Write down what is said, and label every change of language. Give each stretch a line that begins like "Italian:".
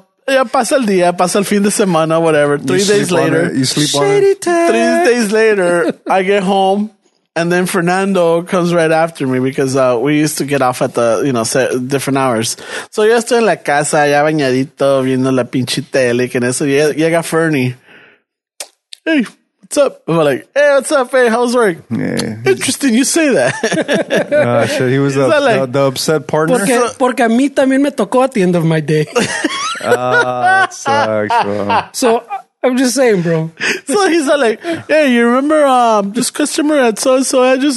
Spanish: Yeah, pasa el día, pasa el fin de semana, whatever.
English: Three days later, you sleep on it. 3 days later, I get home. And then Fernando comes right after me because we used to get off at the, you know, different hours.
Spanish: So yo estoy en la casa, ya bañadito, viendo la pinche tele, que en eso llega Fernie.
English: Hey, what's up? I'm like, hey, what's up? Hey, how's work? Yeah, interesting you say that. Shit, he was the upset partner.
Spanish: Porque a mí también me tocó
English: at the end of my day. Oh, that sucks, bro. So I'm just saying, bro. So he's all like, hey, you remember this customer at so-and-so address?